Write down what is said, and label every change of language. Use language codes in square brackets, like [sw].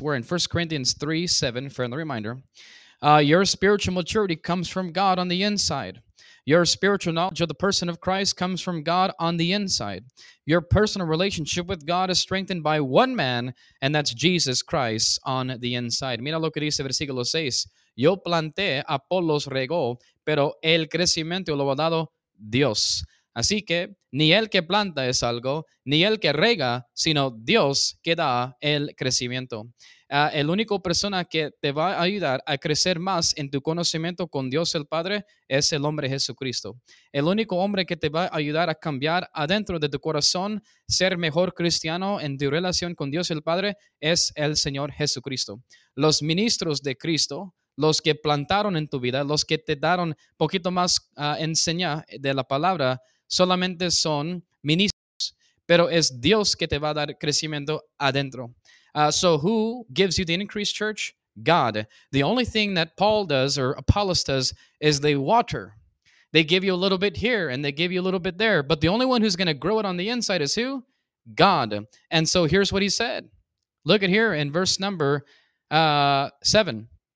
[en] We're in 1 Corinthians 3, 7, friendly reminder. Your spiritual maturity comes from God on the inside. Your spiritual knowledge of the person of Christ comes from God on the inside. Your personal relationship with God is strengthened by one man, and that's Jesus Christ on the inside. [es] Mira lo que dice versículo 6. Yo planté, Apolos regó, pero el crecimiento lo ha dado Dios. Así que ni el que planta es algo, ni el que rega, sino Dios que da el crecimiento. El único persona que te va a ayudar a crecer más en tu conocimiento con Dios el Padre es el hombre Jesucristo. El único hombre que te va a ayudar a cambiar adentro de tu corazón, ser mejor cristiano en tu relación con Dios el Padre, es el Señor Jesucristo. Los ministros de Cristo, los que plantaron en tu vida, los que te dieron poquito más enseña de la palabra, solamente son ministros, pero es Dios que te va a dar crecimiento adentro. [en] So who gives you the increase, church? God. The only thing that Paul does or Apollos does is they water. They give you a little bit here and they give you a little bit there. But the only one who's going to grow it on the inside is who? God. And so here's what he said. Look at here in verse number 7.